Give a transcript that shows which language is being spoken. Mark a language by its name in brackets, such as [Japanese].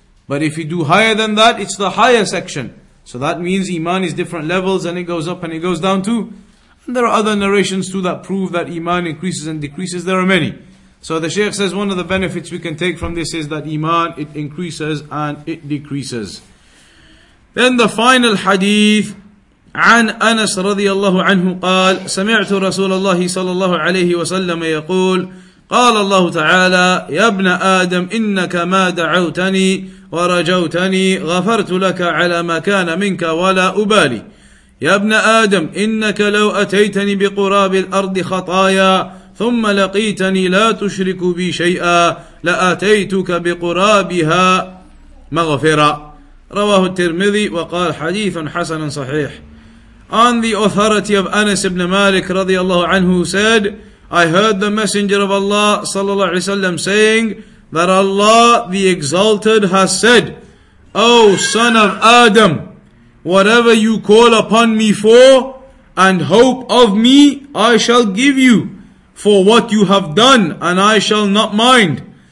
[English] But if you do higher than that, it's the higher section. So that means iman is different levels, and it goes up and it goes down too. And there are other narrations too that prove that iman increases and decreases. There are many. So the Shaykh says one of the benefits we can take from this is that iman, it increases and it decreases. Then the final hadith, [Arabic] عن أنس رضي الله عنه قال سمعت رسول الله صلى الله عليه وسلم يقول قال الله تعالى يا ابن آدم إنك ما دعوتني ورجوتني غفرت لك على ما كان منك ولا أبالي يا ابن آدم إنك لو أتيتني بقراب الأرض خطايا ثم لقيتني لا تشرك بي شيئا لأتيتك بقرابها مغفرة رواه الترمذي وقال حديث حسن صحيح. [English] On the authority of Anas ibn Malik radiallahu anhu, said, I heard the Messenger of Allah sallallahu alayhi wa sallam saying that Allah the Exalted has said, O son of Adam, whatever you call upon me for and hope of me, I shall give you for what you have done, and I shall not mind.